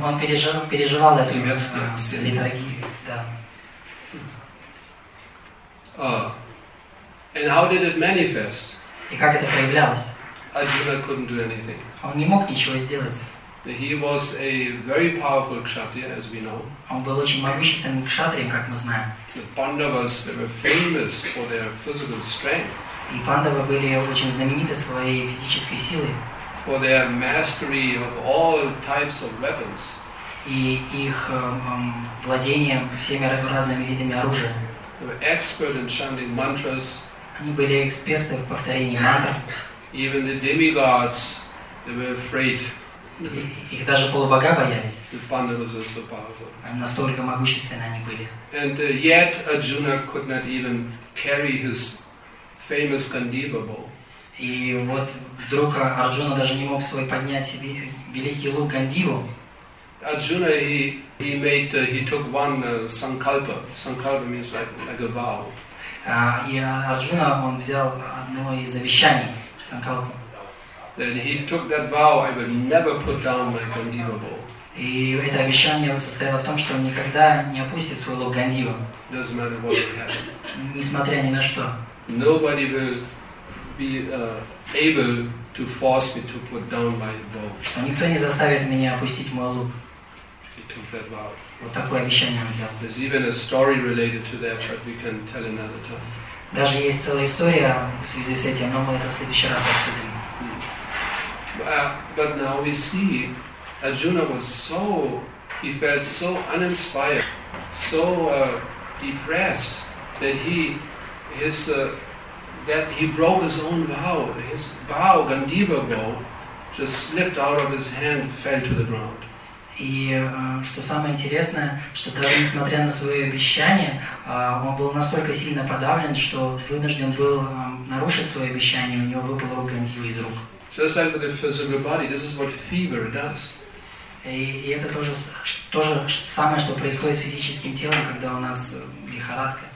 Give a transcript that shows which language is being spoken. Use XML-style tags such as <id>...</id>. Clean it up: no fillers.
<ru>Он переживал эту литургию.</ru> <en>And how did it manifest?</en> <ru>И как это проявлялось?</ru> <en>Arjuna couldn't do anything.</en> <ru>Он не мог ничего сделать.</ru> <en>He was a very powerful kshatriya, as we know.</en> <ru>Он был очень могущественным кшатрием, как мы знаем.</ru> <en>The Pandavas, they were famous for their physical strength.</en> <ru>И пандавы были очень знамениты своей физической силой.</ru> <en>For their mastery of all types of weapons.</en> <ru>И их владением всеми разными видами оружия.</ru> <en>They were expert in chanting mantras.</en> <ru>Они были эксперты в повторении мантр.</ru> <en>Even the demigods, they were afraid.</en> <ru>Их даже полубога боялись.</ru> <en>The Pandavas were so powerful.</en> <ru>Настолько могущественны они были.</ru> <en>And yet Arjuna could not even carry his famous Gandiva bow.</en> <ru>И вот вдруг Арджуна даже не мог свой поднять себе великий лук Гандиву.</ru> <en>Arjuna he took one sankalpa. Sankalpa means like a vow.</en> <ru>И Арджуна он взял одно из завещаний, санкалпу.</ru> <en>Then he took that vow, I would never put down my Gandiva bow.</en> <ru>И это обещание состояло в том, что он никогда не опустит свой лук Гандива.</ru> <en>Doesn't matter what will happen.</en> <ru>Несмотря ни на что.</ru> <en>Nobody will be able to force me to put down my bow.</en> <ru>Что никто не заставит меня опустить мой лук.</ru> <en>He took that vow.</en> <ru>Вот такое обещание он взял.</ru> <en>There's even a story related to that, but we can tell another time.</en> <ru>Даже есть целая история в связи с этим, но мы это в следующий раз обсудим.</ru> <en>But now we see Arjuna was so, he felt so uninspired, so depressed that he broke his own vow. His vow, Gandiva bow, just slipped out of his hand, fell to the ground.</en> <ru>И что самое интересное, что даже несмотря на свое обещание, он был настолько сильно подавлен, что вынужден был нарушить свое обещание, у него выпало Гандива из рук.</ru> <en>Just like with the physical body, this is what fever does.</en> <ru>И это тоже самое, что происходит с физическим телом, когда у нас лихорадка.</ru>